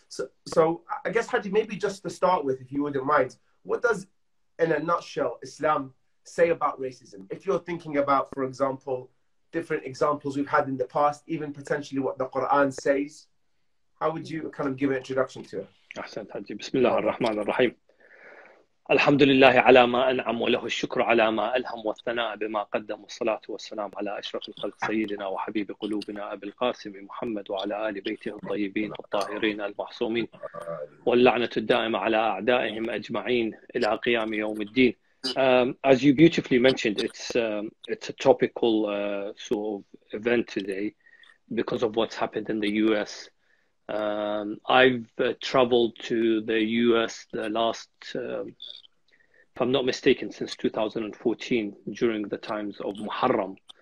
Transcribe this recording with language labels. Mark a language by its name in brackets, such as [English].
[English] So I guess, Haji, maybe just to start with, if you wouldn't mind, what does, in a nutshell, Islam say about racism? If you're thinking about, for example, different examples we've had in the past, even potentially what the Quran says, how would you kind of give an introduction to it? Ahsan, Haji. Bismillah ar-Rahman ar-Rahim. [Arabic] الحمد لله على ما أنعم وله الشكر على ما ألهم والثناء بما قدم الصلاة والسلام على أشرف الخلق سيدنا وحبيب قلوبنا أبي القاسم محمد وعلى آل بيته الطيبين الطاهرين المعصومين واللعنة الدائمة على أعدائهم أجمعين إلى قيام يوم الدين [English] As you beautifully mentioned, it's a topical sort of event today because of what's happened in the US. I've traveled to the US the last, if I'm not mistaken, since 2014 during the times of Muharram.